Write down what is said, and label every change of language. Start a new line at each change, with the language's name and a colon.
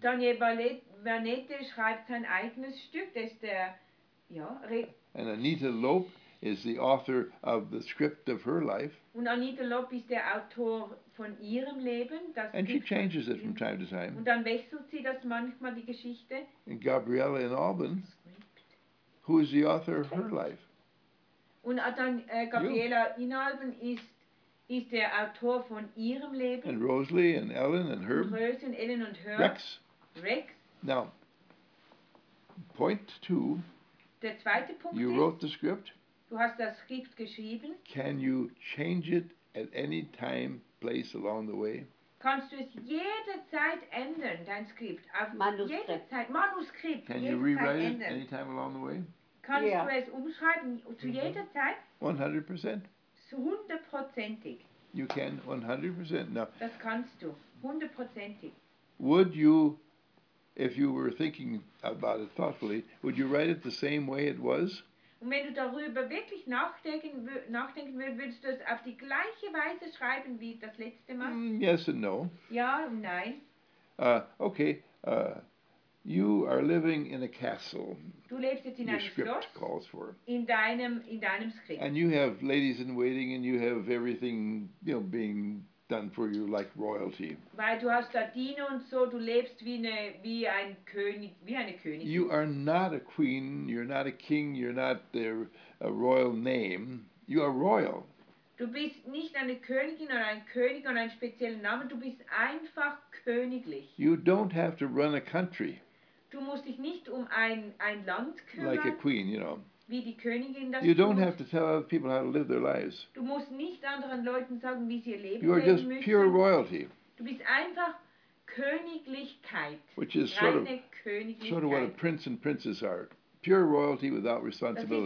German: Daniel Vanetti schreibt sein eigenes Stück, das ist der, ja.
English: And Anita Loeb is the author of the script of her life.
German: Und Anita Loeb ist der Autor von ihrem Leben. Das
English: and she changes it from time to time.
German: Und dann wechselt sie das manchmal, die Geschichte.
English: And Gabriella in Auburn, who is the author of her life?
German: Und dann Gabriella Inalben ist der Autor von ihrem Leben.
English: And Rosalie and Ellen and Herb.
German: Und Rose und Ellen und Herb.
English: Rex. Now, point two.
German: Der zweite Punkt
English: you
German: ist,
English: wrote the script.
German: Du hast das Skript geschrieben.
English: Can you change it at any time, place along the way?
German: Kannst du es jederzeit ändern, dein Skript? Auf Manuskript. Manuskript.
English: Can you rewrite it any time along the way?
German: Kannst du es umschreiben zu jeder Zeit?
English: 100%.
German: Zu 100%ig.
English: You can 100%. Now,
German: das kannst du. 100%ig.
English: Would you, if you were thinking about it thoughtfully, would you write it the same way it was?
German: Und wenn du darüber wirklich nachdenken würdest, würdest du es auf die gleiche Weise schreiben wie das letzte Mal?
English: Yes and no.
German: Ja und nein.
English: Okay. You are living in a castle.
German: Du lebst jetzt in einem Schloss.
English: Your script calls for.
German: In deinem Skript.
English: And you have ladies in waiting, and you have everything, you know, being done for you like royalty.
German: Weil du hast da Diener und so, du lebst wie eine Königin.
English: You are not a queen. You're not a king. You're not a royal name. You are royal.
German: Du bist nicht eine Königin oder ein König oder ein spezieller Name. Du bist einfach königlich.
English: You don't have to run a country.
German: Du musst dich nicht um ein Land kümmern.
English: Like a queen, you know.
German: Wie die Königin das tut.
English: You don't have to tell other people how to live their lives.
German: Du musst nicht anderen Leuten sagen, wie sie ihr Leben leben müssen.
English: You are just pure royalty.
German: Du bist einfach Königlichkeit.
English: Which is sort of what a prince and princess are. Pure royalty without responsibility.